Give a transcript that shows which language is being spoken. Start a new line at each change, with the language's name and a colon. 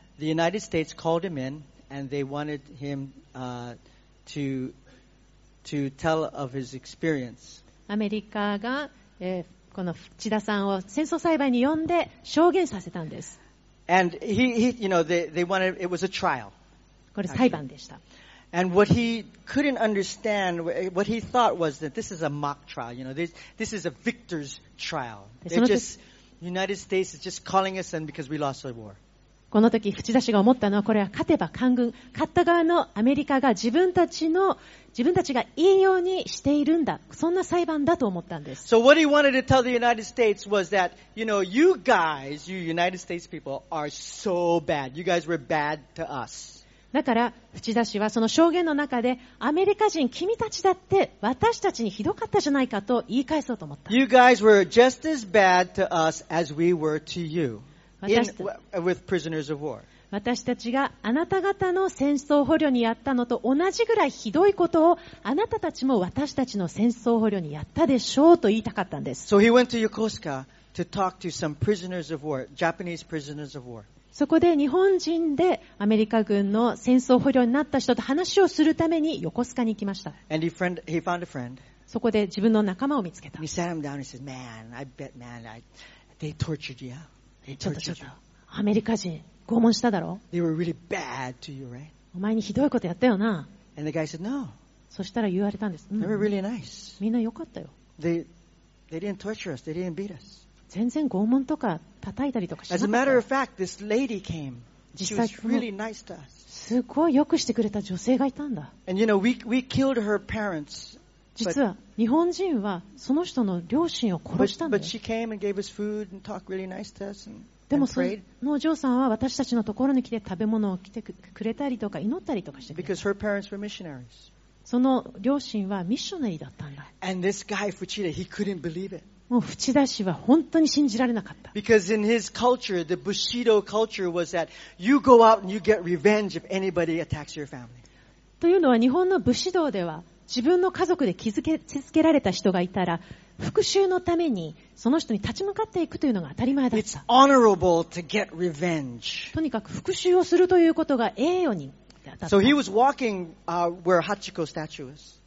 English: the United States called him in and they wanted him, to tell of his experience.
Japanese: アメリカが、この千田さんを戦争裁判に呼んで証言させたんです。
English: And he, you know, they wanted, it was a trial.
Japanese: これ裁判でした。
English: And what he couldn't understand, what he thought was that this is a mock trial, you know, this is a victor's trial. They're justUnited States is just calling us in because we lost the war.
Japanese: この時、淵田氏が思ったのは、これは勝てば官軍、勝った側のアメリカが自分たちがいいようにしているんだ。そんな裁判だと思ったんです。
English: So what he wanted to tell the United States was that, you know, you guys, you United States people are so bad. You guys were bad to us.
Japanese: だから淵田氏はその証言の中でアメリカ人君たちだって私たちにひどかったじゃないかと言い返そうと思った。
English: You guys were just as bad to us as we were to you with prisoners of war.
Japanese: 私たちがあなた方の戦争捕虜にやったのと同じぐらいひどいことをあなたたちも私たちの戦争捕虜にやったでしょうと言いたかったんです。
English: So he went to Yokosuka to talk to some prisoners of war, Japanese prisoners of war.
Japanese: そこで日本人でアメリカ軍の戦争捕虜になった人と話をするために横須賀に行きました。
English: And he found a friend.
Japanese: そこで自分の仲間を見つけた。
English: He sat him down and said, "Man, I bet, man, they tortured you.
Japanese: ちょっと、アメリカ人拷問しただろ。
English: They were really bad to you, right?
Japanese: お前にひどいことやったよな。
English: And the guy said, "No."
Japanese: そしたら言われたんです。
English: They were really nice.
Japanese: みんな良かったよ。
English: They didn't torture us. They didn't beat us.
Japanese: 全然拷問とか叩いたりとかしなかった。
English: As a matter of fact, this lady came. She was really nice to us.
Japanese: すごい良くしてくれた女性がいたんだ。
English: And you know, we killed her parents.
Japanese: 実は日本人はその人の両親を殺したんだ。
English: But she came and gave us food and talked really nice to us and prayed.
Japanese: でもそのお嬢さんは私たちのところに来て食べ物を来てくれたりとか祈ったりとかしてくれた。
English: Because her parents were missionaries.
Japanese: その両親はミッショナリーだったんだ。
English: And this guy, Fuchida, he couldn't believe it.
Japanese: もう淵田氏は本当に信じられなかった。
English: Because in his culture, the Bushido culture was that you go out and you get revenge if anybody attacks your family.
Japanese: というのは日本の武士道では自分の家族で傷つけられた人がいたら復讐のためにその人に立ち向かっていくというのが当たり前だった。
English: It's honorable to get revenge.
Japanese: とにかく復讐をするということが栄誉に当たった。
English: So he was walking, where Hachiko statue is.